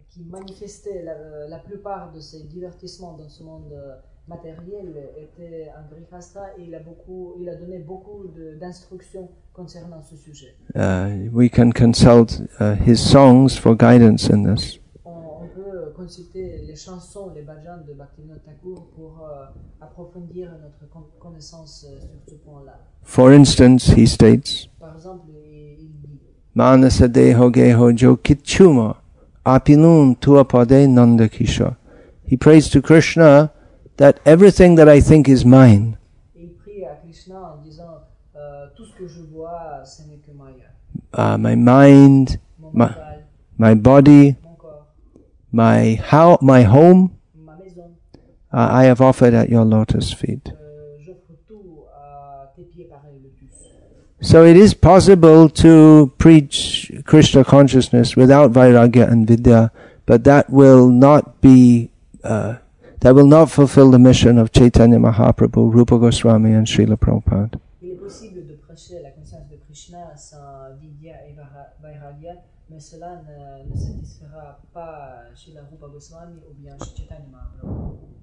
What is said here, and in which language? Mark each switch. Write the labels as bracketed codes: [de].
[fr] Manifestait la plupart de ses divertissements dans ce monde matériel était un grihastha et il a donné beaucoup d'instructions concernant ce sujet. [en] We can consult his songs for guidance in this. [fr] On peut consulter les chansons, les bhajans de Bhaktivinoda Thakur pour approfondir notre connaissance sur ce point-là. [en] For instance, he states, [fr] par exemple, il dit, [bn] Manasa deho geho jo kichuma. Apinun tua pade nanda kisha. [en] He prays to Krishna that everything that I think is mine. [fr] Il prie à Krishna en disant, tout ce que je vois, ce n'est que maya. [en] My mind, my body, my home, [fr] ma maison. [en] I have offered at your lotus feet. [fr] J'offre tout à tes pieds pareil le plus. [en] So it is possible to preach Krishna consciousness without vairagya and vidya, but that will not be that will not fulfill the mission of Chaitanya Mahaprabhu, Rupa Goswami and Srila Prabhupada. [fr] Il est possible de prêcher la conscience de Krishna sans vidya et vairagya, mais cela ne satisfera pas Srila Rupa Goswami ou bien Chaitanya Mahaprabhu.